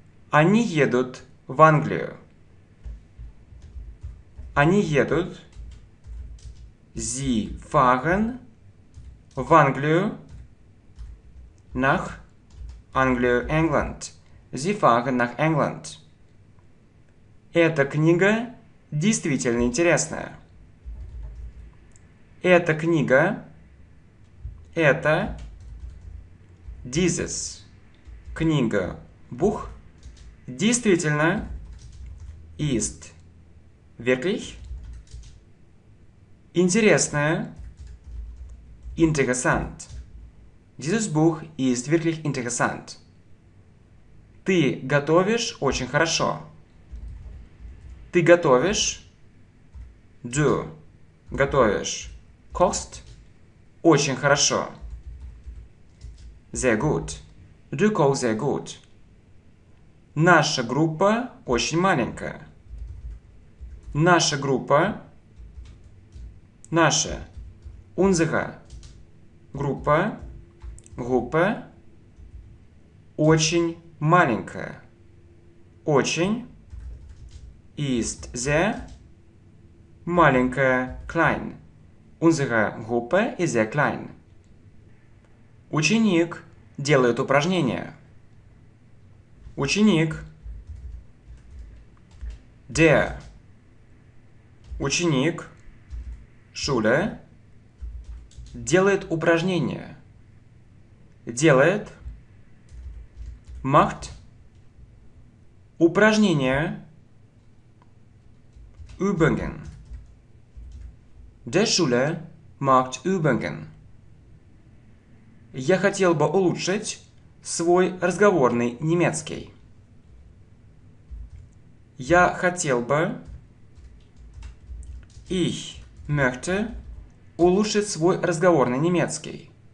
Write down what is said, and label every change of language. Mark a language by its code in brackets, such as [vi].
[ru] Они едут в Англию. Они едут. [de] Sie fahren [ru] в Англию. [de] Nach [ru] Англию, [de] England. Sie fahren nach England. [ru] Эта книга действительно интересная. Эта книга. Это. [de] Dieses. [ru] Книга. Бух. Действительно. [de] Ist. Wirklich. [ru] Интересная. [de] Interessant. Dieses Buch ist wirklich interessant. [ru] Ты готовишь очень хорошо. Ты готовишь? [de] Du [ru] готовишь. [de] Kochst? [ru] Очень хорошо. [de] Sehr gut. Du kochst sehr gut. [ru] Наша группа очень маленькая. Наша группа. Наша. [de] Unsere. [ru] Группа. Группа. Очень маленькая. Очень. [de] Ist sehr. [ru] Маленькая. [de] Klein. Unsere Gruppe ist sehr klein. [ru] Ученик делает упражнение. Ученик. [de] Der. [ru] Ученик. [de] Schule. [ru] Делает упражнение. Делает. [de] Macht. [ru] Упражнение. [de] Übungen. Der Schule macht Übungen. [ru] Я хотел бы улучшить свой разговорный немецкий. Я хотел бы... [de] Ich möchte [ru] улучшить свой разговорный немецкий.